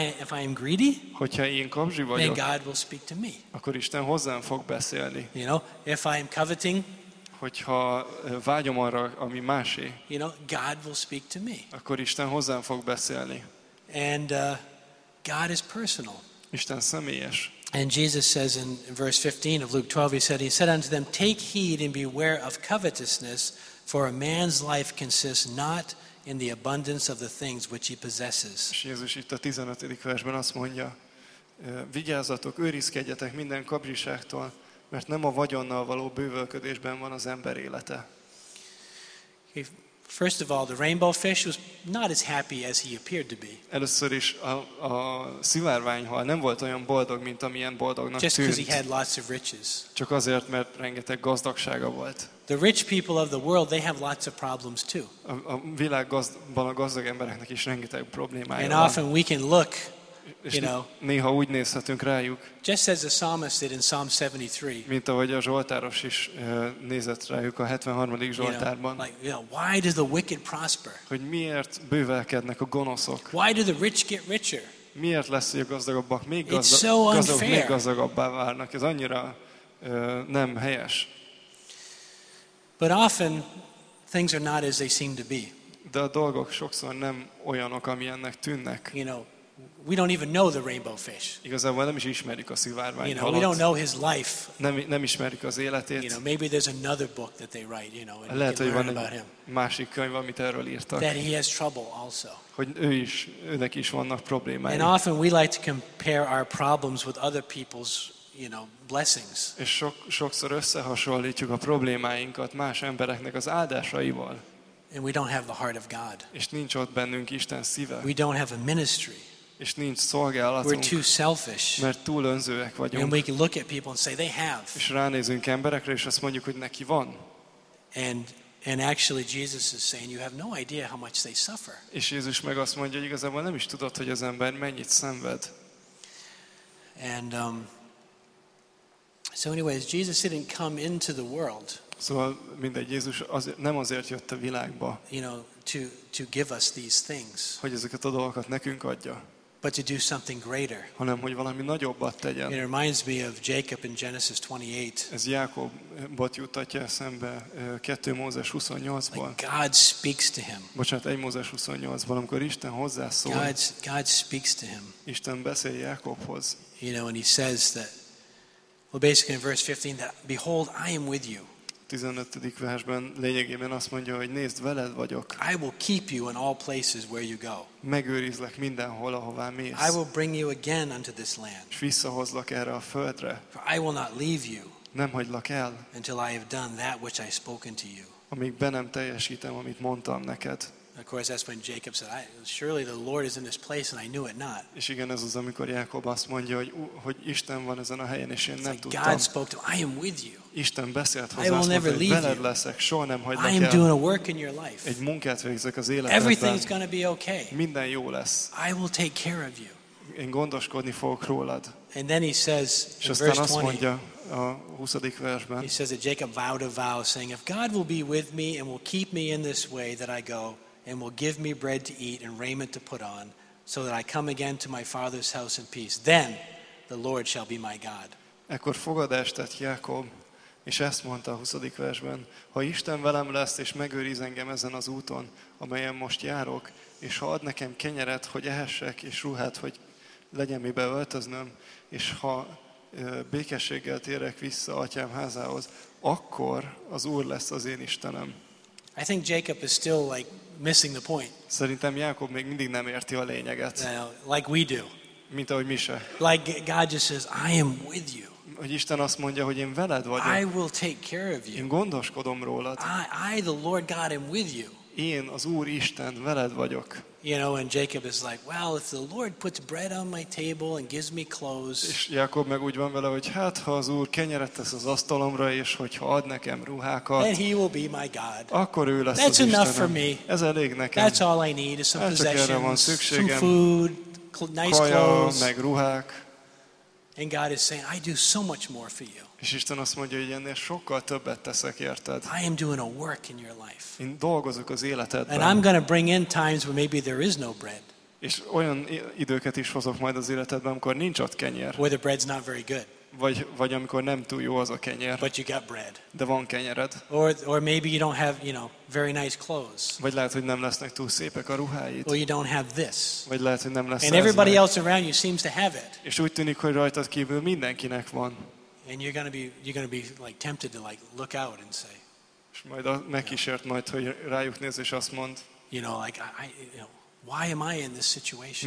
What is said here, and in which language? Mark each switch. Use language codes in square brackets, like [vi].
[en] If I am greedy, [hu] hogyha én kapzsi vagyok, [en] then God will speak to me. [hu] Akkor Isten hozzám fog beszélni. [en] If I am coveting, [hu] hogyha vágyom arra, ami másé, [en] God will speak to me. [hu] Akkor Isten hozzám fog beszélni. [en] And God is personal. [hu] Isten személyes. [en] And Jesus says in verse 15 of Luke 12, he said unto them, take heed and beware of covetousness, for a man's life consists not in the abundance of the things which he possesses. [hu] És Jézus itt a 15. versben azt mondja, vigyázzatok, őrizkedjetek minden kapzsiságtól, mert nem a vagyonnal való bővölködésben van az ember élete. [en] First of all, the rainbow fish was not as happy as he appeared to be. [hu] Először is a szivárványhal nem volt olyan boldog, mint amilyen boldognak tűnt. [en] Just because he had lots of riches. [hu] Csak azért, mert rengeteg gazdagsága volt. [en] The rich people of the world, they have lots of problems too. [hu] A világ gazdagban a gazdag embereknek is rengeteg problémája van. [en] And often we can look, you know, [hu] néha úgy nézhetünk rájuk. [en] Just as the psalmist did in Psalm 73. [hu] Mint ahogy a zsoltáros is nézett rájuk a 73. zsoltárban. [en] Why do the wicked prosper? [hu] Hogy miért bővelkednek a gonoszok? [en] Why do the rich get richer? [hu] Miért lesz a gazdagabbak még gazdagabbá válnak? Ez annyira nem helyes. [en] But often things are not as they seem to be. [hu] De a dolgok sokszor nem olyanok, amilyennek tűnnek. [en] You know, we don't even know the rainbow fish. [hu] Igazából nem is ismerik a szivárványhalat. [en] You know, we don't know his life. [hu] Nem ismerik az életét. [en] You know, maybe there's another book that they write, you know, and you can learn about him. [hu] Másik könyv, amit erről írtak. [en] That he has trouble also. [hu] Hogy őnek is vannak problémái. [en] And often we like to compare our problems with other people's, you know, blessings. [hu] És sokszor összehasonlítjuk a problémáinkat más embereknek az áldásaival. [en] And we don't have the heart of God. [hu] És nincs ott bennünk Isten szíve. [en] We don't have a ministry. [hu] És nincs szolgálatunk. [en] We're too selfish. [hu] Mert túl önzőek vagyunk. [en] And we can look at people and say they have. [hu] És ránézünk emberekre és azt mondjuk, hogy neki van. [en] And actually Jesus is saying you have no idea how much they suffer. [hu] És Jézus meg azt mondja, hogy igazából nem is tudod, hogy az ember mennyit szenved. [en] And so anyways, Jesus didn't come into the world. [hu] Szóval mindegy, Jézus nem azért jött a világba. [en] You know, to give us these things. [hu] Hogy ezeket a dolgokat nekünk adja. [en] But to do something greater. [hu] Hanem hogy valami nagyobbat tegyen. [en] It reminds me of Jacob in Genesis 28. [hu] Ez Jákobot jutatja eszembe 2 Mózes 28-ban. [en] Like God speaks to him. [hu] Bocsánat, 1 Mózes 28-ban, amikor Isten hozzászól. [en] God speaks to him. [hu] Isten beszél Jákobhoz. [en] You know, and he says that, well, basically in verse 15, that behold, I am with you. [hu] 15. versben lényegében azt mondja, hogy nézd, veled vagyok. [en] I will keep you in all places where you go. [hu] Megőrizlek mindenhol, ahová mész. [en] I will bring you again unto this land. [hu] S visszahozlak erre a földre. [en] For I will not leave you. [hu] Nem hagylak el. [en] Until I have done that which I spoken to you. [hu] Amíg be nem teljesítem, amit mondtam neked. [en] Of course, that's when Jacob said, surely the Lord is in this place, and I knew it not. [hu] És igen, ez az, amikor Jákob azt mondja, hogy Isten van ezen a helyen, és én nem tudtam. [en] God spoke to him, I am with you. [hu] Isten beszélt hozzá, hogy veled leszek, soha nem hagylak el. [en] I am doing a work in your life. [hu] Egy munkát végzek az életedben. [en] Everything's going to be okay. [hu] Minden jó lesz. [en] I will take care of you. [hu] Én gondoskodni fogok rólad. [en] And then he says, [hu] és aztán azt mondja a 20. versben. [en] He says that Jacob vowed a vow, saying, if God will be with me and will keep me in this way that I go, and will give me bread to eat and raiment to put on, so that I come again to my father's house in peace. Then the Lord shall be my God. [hu] Ekkor fogadást tett Jákob, és ezt mondta a 20. versben, ha Isten velem lesz, és megőriz engem ezen az úton, amelyen most járok, és ha ad nekem kenyeret, hogy ehessek, és ruhát, hogy legyen mibe öltöznöm, és ha békességgel térek vissza atyám házához, akkor az Úr lesz az én Istenem. [en] I think Jacob is still like missing the point. [hu] Szerintem Jákob még mindig nem érti a lényeget. [en] Like we do. [hu] Mint ahogy mi se. [en] Like God just says, I am with you. [hu] Hogy Isten azt mondja, hogy én veled vagyok. [en] I will take care of you. [hu] Én gondoskodom rólad. [en] I the Lord God am with you. [hu] Én az Úr Isten veled vagyok. [en] You know, and Jacob is like, well, if the Lord puts bread on my table and gives me clothes. [hu] És Jákob meg úgy van vele, hogy hát ha az Úr kenyeret tesz az asztalomra és hogyha ad nekem ruhákat. [en] Then he will be my God. [hu] Akkor ő lesz [en] That's [hu] az Istenem. [en] Enough for me. [hu] Ez elég nekem. [en] That's all I need is some [hu] hát [en] possessions. [hu] Erre van szükségem. [en] Some food, nice [hu] kaja, [en] clothes. [hu] Meg ruhák. [en] And God is saying, I do so much more for you. [hu] És Isten azt mondja, hogy ennél sokkal többet teszek érted. [en] I am doing a work in your life. [hu] Én dolgozok az életedben. [en] And I'm going to bring in times where maybe there is no bread. [hu] És olyan időket is hozok majd az életedben, amikor nincs ott kenyér. [en] Where the bread's not very good. [hu] vagy amikor nem túl jó az a kenyér. [en] But you got bread. [hu] De van kenyered. [en] Or maybe you don't have, you know, very nice clothes. [hu] Vagy lehet, hogy nem lesznek túl szépek a ruháid. [en] Or you don't have this. [hu] Vagy lehet, hogy nem lesz. [en] And everybody else around you seems to have it. [hu] És úgy tűnik, hogy rajtad kívül mindenkinek van. [en] And you're gonna be like tempted to like look out and say. [hu] És majd megkísért majd, hogy rájuk néz és azt mond. [en] You know, like I, you know, why am I in this situation?